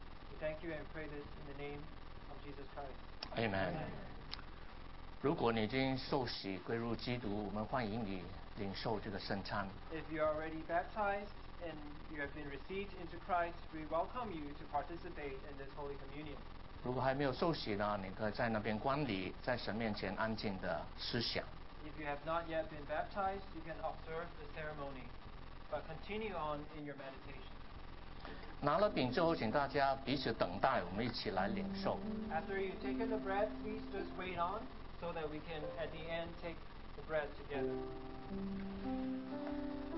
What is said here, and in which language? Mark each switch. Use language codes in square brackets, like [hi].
[en] We thank you and pray this in the name of Jesus Christ. Amen. Amen. [zh] 如果你已经受洗归入基督，我们欢迎你领受这个圣餐。 [en] If you are already baptized and you have been received into Christ, we welcome you to participate in this Holy Communion. [zh] 如果还没有受洗呢，你可以在那边观礼，在神面前安静的思想。 [en] If you have not yet been baptized, you can observe the ceremony, but continue on in your meditation. [zh] 拿了饼之后，请大家彼此等待，我们一起来领受。 [en] After you take the bread, please just wait on.So that we can, at the end, take the bread together.